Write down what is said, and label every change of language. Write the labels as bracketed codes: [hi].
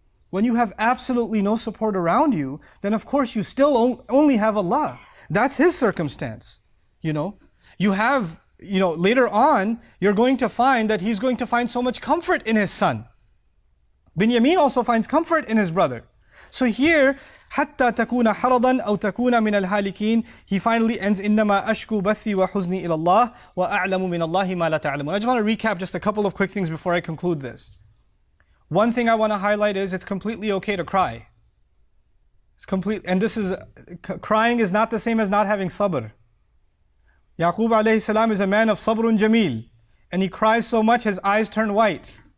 [en] When you have absolutely no support around you, then of course you still only have Allah. That's his circumstance. You know, you have, you know, later on, you're going to find that he's going to find so much comfort in his son. Binyamin also finds comfort in his brother. So here, [ar] حتى تكون حرضا أو تكون من الهالكين, [en] he finally ends, [ar] إنما أشكو بثي وحزني إلى الله وأعلم من الله ما لا تعلمون. [en] I just want to recap just a couple of quick things before I conclude this. One thing I want to highlight is, it's completely okay to cry. It's complete, and this is, crying is not the same as not having sabr. Yaqub alayhi salam is a man of sabrun jameel, and he cries so much his eyes turn white.